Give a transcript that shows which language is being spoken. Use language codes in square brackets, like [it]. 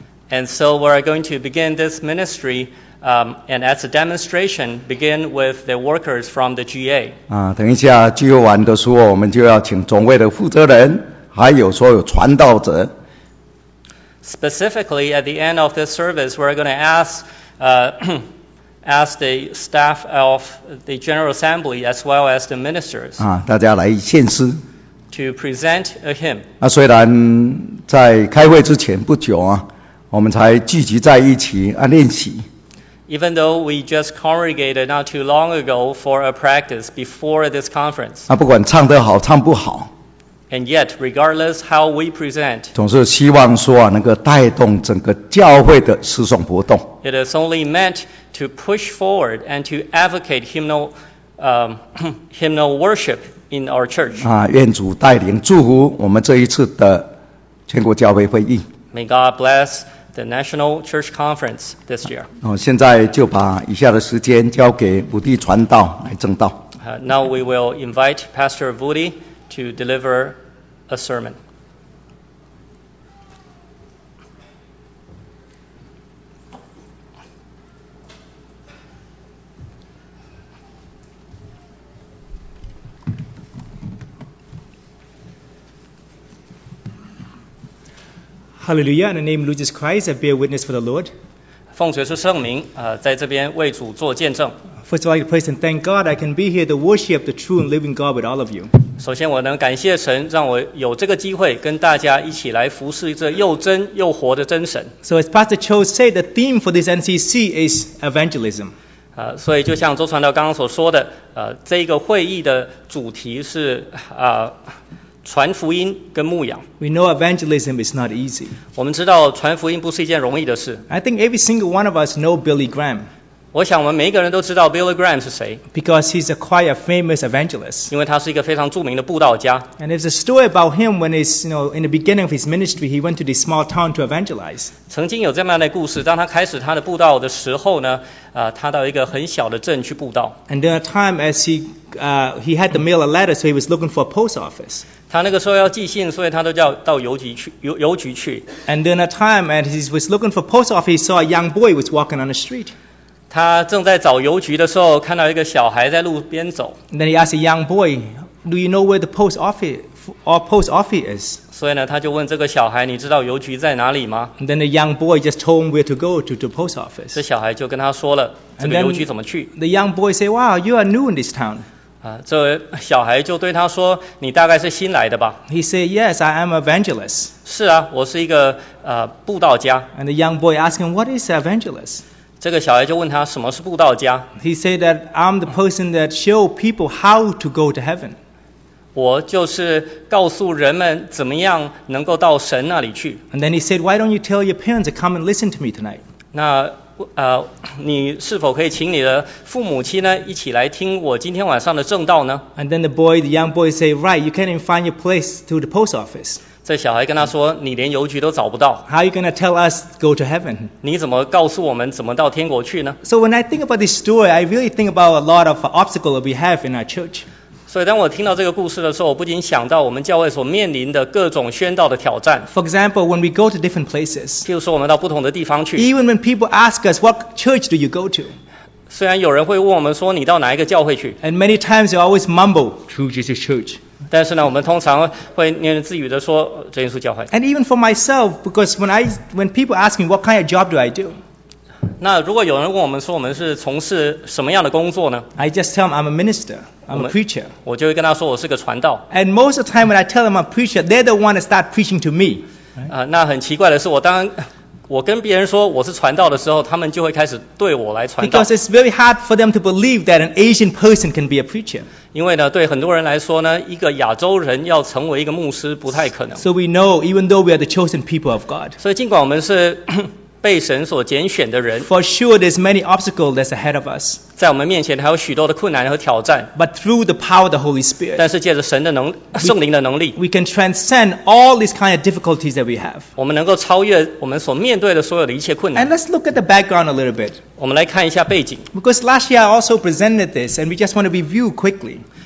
[en] And so we are going to begin this ministry, and as a demonstration, begin with the workers from the GA. [zh] 啊，等一下聚会完的时候，我们就要请总会的负责人，还有所有传道者。 [en] Specifically, at the end of this service, we're going to ask the staff of the General Assembly as well as the ministers [zh] 啊，大家来献诗 [en] to present a hymn. [zh] 啊，虽然在开会之前不久啊，我们才聚集在一起啊练习。 [en] Even though we just congregated not too long ago for a practice before this conference. [zh] 啊，不管唱得好，唱不好。 [en] And yet, regardless how we present, [zh] 总是希望说啊，能够带动整个教会的诗颂活动。 [en] It is only meant to push forward and to advocate hymnal, hymnal worship in our church. [zh] 啊，愿主带领祝福我们这一次的全国教会会议。 [en] May God bless the National Church Conference this year. [zh] 哦，现在就把以下的时间交给武弟传道来证道。 [en] Now we will invite Pastor Vudi. To deliver a sermon. Hallelujah, in the name of Jesus Christ, I bear witness for the Lord. [zh] 奉主耶稣圣名，在这边为主做见证。 [en] First of all, I praise and thank God I can be here to worship the true and living God with all of you. [zh] 首先我能感谢神让我有这个机会跟大家一起来服侍这又真又活的真神。 [en] So as Pastor Cho said, the theme for this NCC is evangelism. [zh] 所以就像周传道刚刚所说的，这个会议的主题是传福音跟牧养。 [en] We know evangelism is not easy. [zh] 我们知道传福音不是一件容易的事。 [en] I think every single one of us know Billy Graham. [zh] 我想我们每一个人都知道 Billy Graham 是谁 [en] ，because he's a quite a famous evangelist. [zh] 因为他是一个非常著名的布道家。 [en] And there's a story about him when he's, you know, in the beginning of his ministry, he went to the small town to evangelize. [zh] 曾经有这么样的故事，当他开始他的布道的时候呢，他到一个很小的镇去布道。 [en] And then a time as he had to mail a letter, so he was looking for a post office. [zh] 他那个时候要寄信，所以他都叫到邮局去。 [en] And then a time as he was looking for a post office, he saw a young boy was walking on the street. [zh] 他正在找邮局的时候，看到一个小孩在路边走。 [en] And、then he asked a young boy, "Do you know where the post office is?" [zh] 所以呢，他就问这个小孩，你知道邮局在哪里吗 [en] ？And then the young boy just told him where to go to the post office. [zh] 这小孩就跟他说了这个邮局怎么去。 [en] The young boy said, "Wow, you are new in this town." [zh] 这小孩就对他说，你大概是新来的吧 [en] ？He said, "Yes, I am evangelist." [zh] 是啊，我是一个布道家。 [en] And the young boy asked him, "What is evangelist?" [zh] 这个小孩就问他什么是布道家。 [en] He said that I'm the person that show people how to go to heaven. [zh] 我就是告诉人们怎么样能够到神那里去。 [en] And then he said, why don't you tell your parents to come and listen to me tonight? [zh] 那你是否可以请你的父母亲呢一起来听我今天晚上的证道呢 [en] ？And then the young boy said, right, you can't even find your place to the post office. [zh] 这小孩跟他说：“你连邮局都找不到。” [en] How are you going to tell us go to heaven? [zh] 你怎么告诉我们怎么到天国去呢 [en] ？So when I think about this story, I really think about a lot of obstacles that we have in our church. [zh] 所以当我听到这个故事的时候，我不仅想到我们教会所面临的各种宣道的挑战。 [en] For example, when we go to different places, [zh] 譬如说我们到不同的地方去。 [en] Even when people ask us, what church do you go to? [zh] 虽然有人会问我们说你到哪一个教会去。 [en] And many times you always mumble, True Jesus Church. [zh] 但是呢，我们通常会念自语的说，真耶稣教会。 [en] And even for myself, because when people ask me what kind of job do I do, [zh] 那如果有人问我们说我们是从事什么样的工作呢 [en] ？I just tell them I'm a minister, I'm a preacher. [zh] 我就会跟他说我是个传道。 [en] And most of the time when I tell them I'm a preacher, they're the one to start preaching to me. [zh] 那很奇怪的是，我跟别人说我是传道的时候，他们就会开始对我来传道。 [en] Because it's very hard for them to believe that an Asian person can be a preacher. [zh] 因为呢，对很多人来说呢，一个亚洲人要成为一个牧师不太可能。 [en] So we know, even though we are the chosen people of God. [zh] 所以尽管我们是被神所拣选的人。 [en] For sure, there's many obstacles that's ahead of us. [zh] 在我们面前还有许多的困难和挑战。 [en] But through the power of the Holy Spirit. [zh] 但是借着神的圣灵的能力。 [en] We can transcend all these kind of difficulties that we have. [zh] 我们能够超越我们所面对的所有的一切困难。 [en] And let's look at the background a little bit. [zh] 我们来看一下背景。 [en] Because last year I also presented this, and we just want to review quickly.